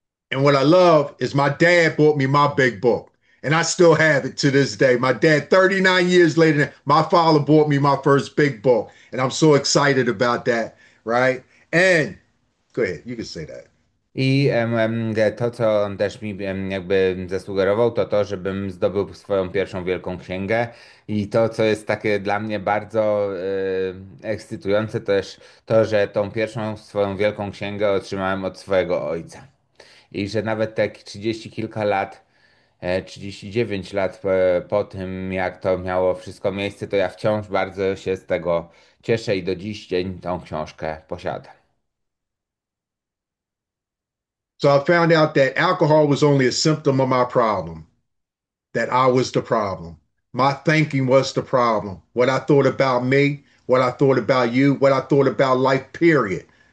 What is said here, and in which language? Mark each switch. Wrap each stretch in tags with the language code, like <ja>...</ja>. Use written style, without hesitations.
<en>And what I love is my dad bought me my big book. And I still have it to this day. My dad, 39 years later, my father bought me my first big book. And I'm so excited about that, right? And go ahead, you can say that.</en> <pl>I to, co on też mi jakby zasugerował, to, żebym zdobył swoją pierwszą wielką księgę. I to, co jest takie dla mnie bardzo ekscytujące, też to, że tą pierwszą swoją wielką księgę otrzymałem od swojego ojca. I że nawet te 30 kilka lat, 39 lat po tym, jak to miało wszystko miejsce, to ja wciąż bardzo się z tego cieszę i do dziś dzień tą książkę posiadam.</pl> <en>So I found out that alcohol was only a symptom of my problem, that I was the problem. My thinking was the problem. What I thought about me, what I thought about you, what I thought about life, period.</en>